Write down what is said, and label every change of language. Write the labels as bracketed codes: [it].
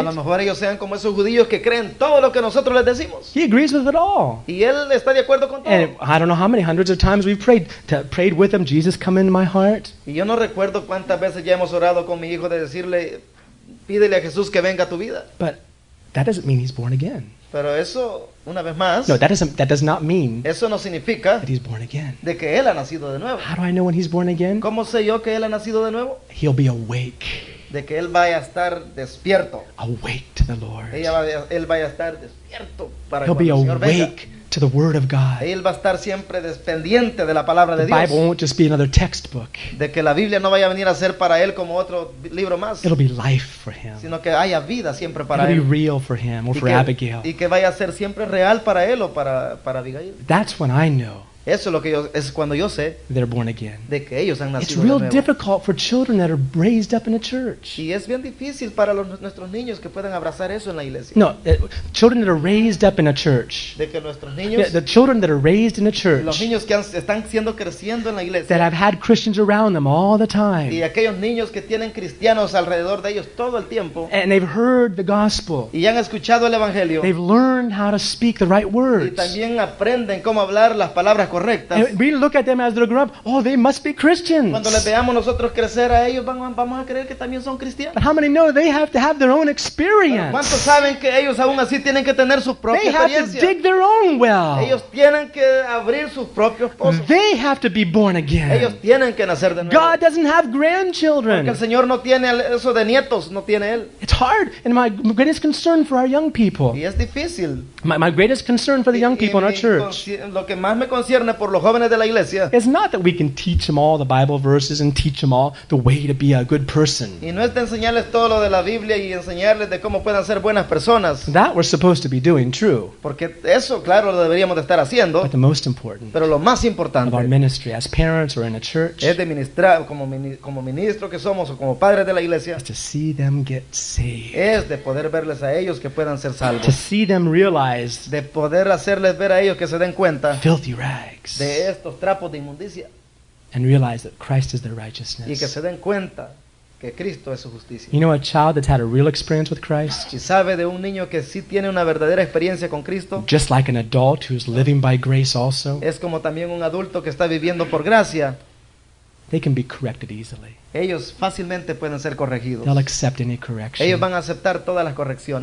[es] A lo mejor ellos sean como esos judíos que creen todo lo que nosotros les decimos. [en] He agrees with it all. [es] Y él está de acuerdo con todo. [en] And I don't know how many hundreds of times we've prayed with him. Jesus, come in my heart. [es] Y yo no recuerdo cuántas veces ya hemos orado con mi hijo de decirle, pídele a Jesús que venga a tu vida. [en] But that doesn't mean he's born again. [es] Pero eso, una vez más, [en] no, that does not mean [es] eso no significa [en] that he's born again. [es] De que él ha nacido de nuevo. [en] How do I know when he's born again? [es] ¿Cómo sé yo que él ha nacido de nuevo? [en] He'll be awake. [es] De que él vaya a estar despierto. [en] Awake to the Lord. [es] Él vaya a estar despierto para [en] he'll be [es] el Señor [en] awake [es] venga [en] to the word of God. [es] Él va a estar siempre pendiente de la palabra [en] the [es] de Dios. [en] Bible won't just be another textbook. [es] De que la Biblia no vaya a venir a ser para él como otro libro más. [en] It'll be life for him. [es] Sino que haya vida siempre para [en] it'll [es] él. [en] Be real for him or y for [es] que, Abigail. Y que vaya a ser siempre real para él o para Abigail. [en] That's when I know. [es] Eso es lo que yo, es cuando yo sé. [en] They're born again. [es] De que ellos han nacido. [en] It's real difficult for children that are raised up in a church. [es] Y es bien difícil para los, nuestros niños que puedan abrazar eso en la iglesia. [en] No, children that are raised up in a church. [es] De que nuestros niños. [en] Yeah, the children that are raised in a church. [es] Los niños que han, están siendo creciendo en la iglesia. [en] That have had Christians around them all the time. [es] Y aquellos niños que tienen cristianos alrededor de ellos todo el tiempo. [en] And they've heard the gospel. [es] Y han escuchado el evangelio. [en] They've learned how to speak the right words. [es] Y también aprenden cómo hablar las palabras correctas. [en] And we look at them as they grow up. Oh, they must be Christians. [es] Cuando les veamos nosotros crecer a ellos, vamos a creer que también son cristianos. [en] But how many know they have to have their own experience? [es] ¿Cuántos saben que ellos aún así tienen que tener su propia experiencia? [en] They have to dig their own well. [es] Ellos tienen que abrir sus propios pozos. [en] They have to be born again. [es] Ellos tienen que nacer de nuevo. [en] God doesn't have grandchildren. [es] Porque el Señor no tiene eso de nietos, no tiene él. [en] It's hard, and my greatest concern for our young people. [es] Y es difícil. [en] My greatest concern for the young people [es] y [en] in our church. [es] Lo que más me concierne por los jóvenes de la iglesia. [en] It's not that we can teach them all the Bible verses and teach them all the way to be a good person. [es] Y no es de enseñarles todo lo de la Biblia y enseñarles de cómo puedan ser buenas personas. [en] That we're supposed to be doing, true. [es] Porque eso, claro, lo deberíamos de estar haciendo. [en] But the most important. [es] Pero lo más importante. [en] Of our ministry as parents or in a church. [es] Es de ministrar como ministro que somos o como padres de la iglesia. [en] Is to see them get saved. [es] Es de poder verles a ellos que puedan ser salvos. [en] To see them realize. [es] De poder hacerles ver a ellos que se den cuenta [en] filthy rags, [es] de estos trapos de inmundicia [en] and realize that Christ is their righteousness. [es] Y que se den cuenta que Cristo es su justicia. [en] You know a child that's had a real experience with Christ? [es] ¿Y sabe de un niño que sí tiene una verdadera experiencia con Cristo? [en] Just like an adult who's living by grace also. [es] Es como también un adulto que está viviendo por gracia. [en] They can be corrected easily. [es] Ellos fácilmente pueden ser corregidos. [en] They'll accept any correction. [es] Ellos van a aceptar todas las correcciones.